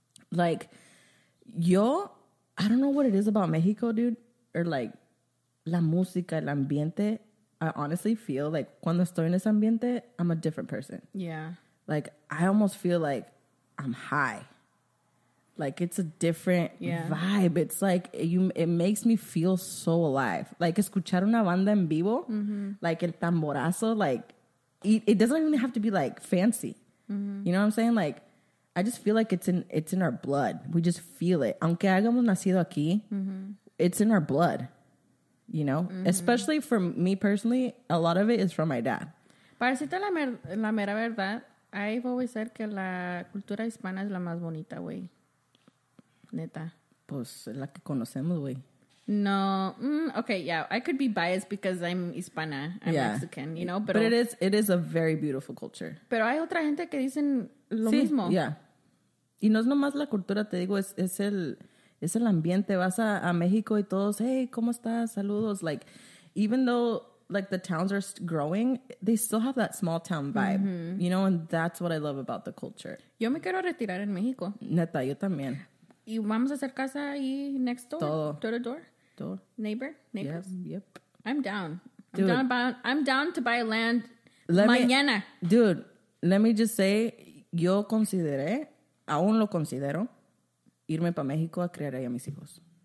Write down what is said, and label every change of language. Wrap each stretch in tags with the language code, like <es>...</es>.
<en>Like, yo... I don't know what it is about Mexico, dude. Or, like,</en> <es>la música, el ambiente.</es> <en>I honestly feel like,</en> <es>cuando estoy en ese ambiente,</es> <en>I'm a different person. Yeah. Like, I almost feel like... I'm high. Like, it's a different vibe. It's like, it makes me feel so alive.</en> <es>Like, escuchar una banda en vivo, mm-hmm.</es> <en>like,</en> <es>el tamborazo,</es> <en>like, it doesn't even have to be, like, fancy. Mm-hmm. You know what I'm saying? Like, I just feel like it's in our blood. We just feel it.</en> <es>Aunque hayamos nacido aquí,</es> <en>mm-hmm. it's in our blood, you know? Mm-hmm. Especially for me personally, a lot of it is from my dad.</en> <es>Para decirte la mera verdad,</es> <en>I've always said</en> <es>que la cultura hispana es la más bonita, güey. Neta. Pues, la que conocemos, güey. No.</es> <en>Okay, yeah. I could be biased because I'm Hispana. Mexican, you know?</en> <es>Pero,</es> <en>but it is a very beautiful culture.</en> <es>Pero hay otra gente que dicen lo mismo. Sí, yeah. Y no es nomás la cultura, te digo, es el ambiente. Vas a México y todos, hey, ¿cómo estás? Saludos.</es> <en>Like, even though, like, the towns are growing, they still have that small town vibe, mm-hmm. you know? And that's what I love about the culture.</en> <es>Yo me quiero retirar en México. Neta, yo también. ¿Y vamos a hacer casa ahí</es> <en>next door?</en> <es>Todo.</es> <en>Door to door? Door. Neighbor? Neighbors? Yep. I'm down. I'm down to buy land mañana. Let me just say,</en> <es>yo consideré, aún lo considero, irme para México a criar ahí a mis hijos.</es>